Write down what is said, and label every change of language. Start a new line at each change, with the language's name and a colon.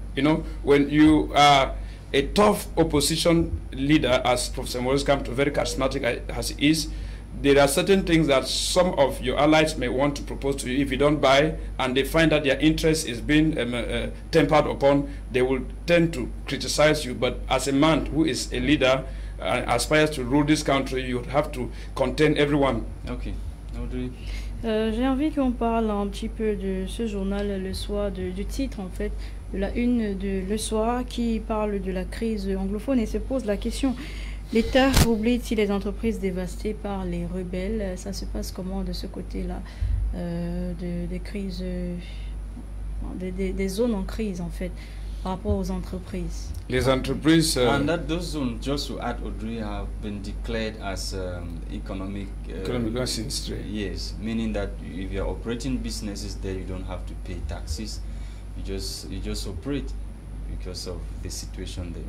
English: You know, when you are a tough opposition leader, as Professor Maurice Kamto, very charismatic as he is, there are certain things that some of your allies may want to propose to you. If you don't buy and they find that their interest is being tempered upon, they will tend to criticize you. But as a man who is a leader and aspires to rule this country, you have to contain everyone. Okay. Audrey.
French: J'ai envie qu'on parle un petit peu de ce journal Le Soir, du titre en fait, de la une de Le Soir, qui parle de la crise anglophone et se pose la question, l'État oublie-t-il les entreprises dévastées par les rebelles? Ça se passe comment de ce côté-là, des crises, des zones en crise en fait, par rapport aux entreprises? Les entreprises...
English: And that those zones, just to add, Audrey, have been declared as economic
French: sinistre.
English: Yes, meaning that if you're operating businesses there, you don't have to pay taxes. You just operate because of the situation there.